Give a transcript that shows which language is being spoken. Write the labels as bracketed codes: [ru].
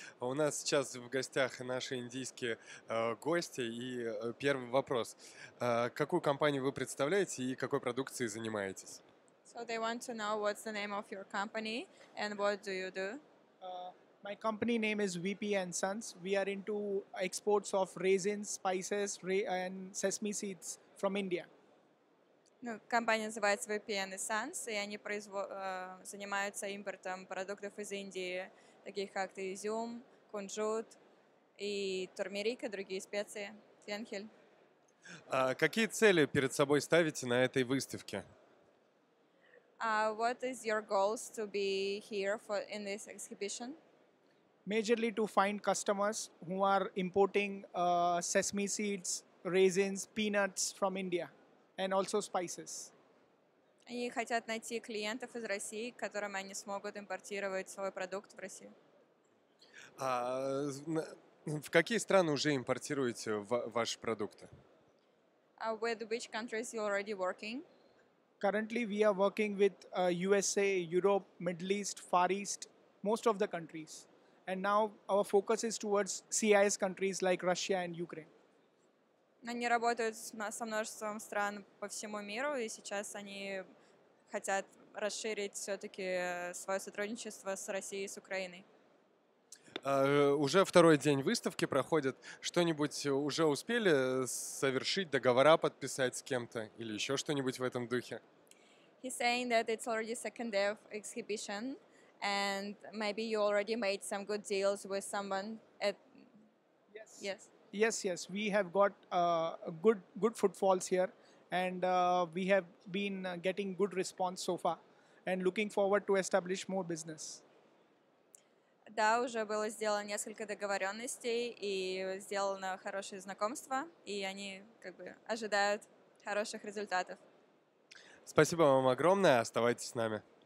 [ru] У нас сейчас в гостях наши индийские гости. И первый вопрос. Какую компанию вы представляете и какой продукцией занимаетесь? [en] So they want to know what's the name of your company and what do you do? My company name is VP and Sons. We are into exports of raisins, spices and sesame seeds from India. [ru] Ну, компания называется VPN Essence, и они занимаются импортом продуктов из Индии, таких как изюм, кунжут и турмерик, и другие специи, фенхель. А какие цели перед собой ставите на этой выставке? [en] What is your goals to be here for in this exhibition? Majorly to find customers who are importing sesame seeds, raisins, peanuts from India. And also spices. [ru] Они хотят найти клиентов из России, которым они смогут импортировать свой продукт в Россию. А в какие страны уже импортируете ваши продукты? [en] With which countries you already working? Currently we are working with USA, Europe, Middle East, Far East, most of the countries. And now our focus is towards CIS countries like Russia and Ukraine. [ru] Они работают со множеством стран по всему миру, и сейчас они хотят расширить все-таки свое сотрудничество с Россией и с Украиной. Уже второй день выставки проходит. Что-нибудь уже успели совершить, договора подписать с кем-то или еще что-нибудь в этом духе? [en] He's saying that it's already second day of exhibition, and maybe you already made some good deals with someone. Yes. We have got good footfalls here, and we have been getting good response so far, and looking forward to establish more business. [ru] Да, уже было сделано несколько договоренностей и сделано хорошее знакомство, и они как бы ожидают хороших результатов. Спасибо вам огромное. Оставайтесь с нами.